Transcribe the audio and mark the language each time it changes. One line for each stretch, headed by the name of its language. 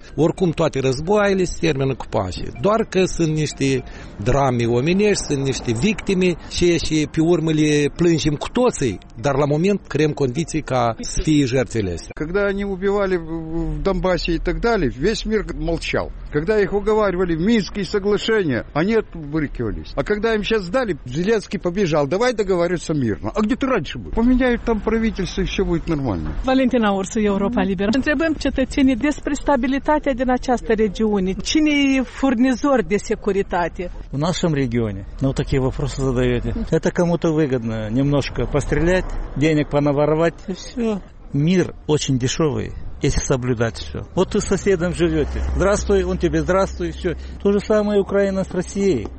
Romanian: Oricum, toate războaiele se termină cu pașii. Doar că sunt niște drame omenești, sunt niște victime și pe urmă le plângem cu toții, dar la moment creăm condiții ca să fie jertfele astea.
Russian: Când ne ubivale în Donbass și tak dali, весь мир молчал. Когда их уговаривали Минские соглашения, они отбрыкивались. А когда им сейчас сдали, Зеленский побежал. Давай договариваться мирно. А где ты раньше был? Поменяют там правительство, и все будет нормально. Валентина Урсу, Европа Либер.
Romanian: Întrebăm cetățenii despre stabilitatea din această regiune. Cine e furnizor de securitate?
Russian: В нашем регионе? Ну, такие вопросы задаете. Это кому-то выгодно немножко пострелять, денег понаворовать, и все. Мир очень дешевый. Если соблюдать все. Вот вы с соседом живете. Здравствуй, он тебе здравствуй, все. То же самое Украина с Россией.